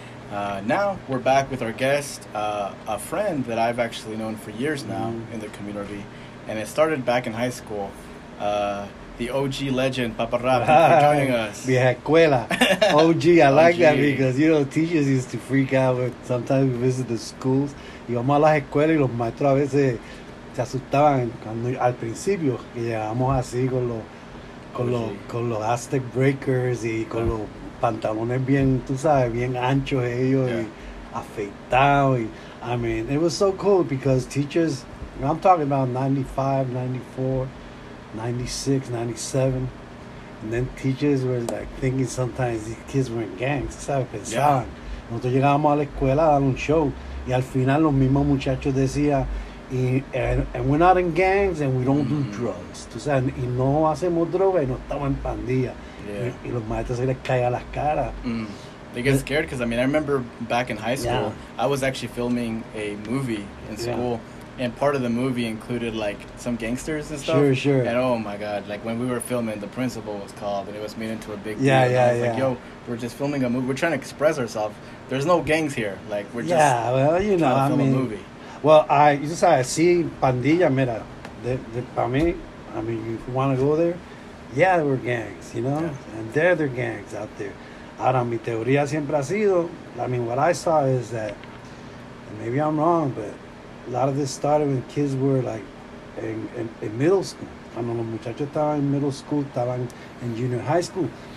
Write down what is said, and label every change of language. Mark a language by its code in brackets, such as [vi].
[en] Now, we're back with our guest, a friend that I've actually known for years now in the community, and it started back in high school. The OG legend, Papa Rap, for joining us. [es] Vieja escuela. [en] OG, I like OG. That because, you know, teachers used to freak out when sometimes we visit the schools. [es] Íbamos a las escuelas y los maestros a veces se asustaban cuando, al principio, que llegábamos así con los con los Aztec Breakers y con los pantalones bien, tú sabes, bien anchos ellos y afeitados. [en] I mean, it was so cool because teachers, I'm talking about 95, 94, 96, 97, and then teachers were like thinking sometimes these kids were in gangs, ¿sabes? [es] Pensaban. Yeah. Nosotros llegábamos a la escuela a dar un show y al final los mismos muchachos decían, [en] And we're not in gangs and we don't do drugs. [es] Tú sabes, y no hacemos droga y no estamos en pandilla. [en] Yeah. [es] Y los maestros se les cae a las caras. [en] They get scared because, I mean, I remember back in high school, I was actually filming a movie in school. And part of the movie included, like, some gangsters and stuff. Sure, sure. And, oh, my God, like, when we were filming, the principal was called, and it was made into a big deal. Yeah. Like, yo, we're just filming a movie. We're trying to express ourselves. There's no gangs here. Like, we're just trying to film a movie. Well, I you just I see pandilla, mira, for me, I mean, you want to go there? Yeah, there were gangs, you know? Yeah. And there are gangs out there. [es] Ahora, mi teoría siempre ha sido, [en] I mean, what I saw is that, and maybe I'm wrong, but a lot of this started when kids were, like, in middle school. [es] Cuando los muchachos estaban en middle school, estaban en junior high school.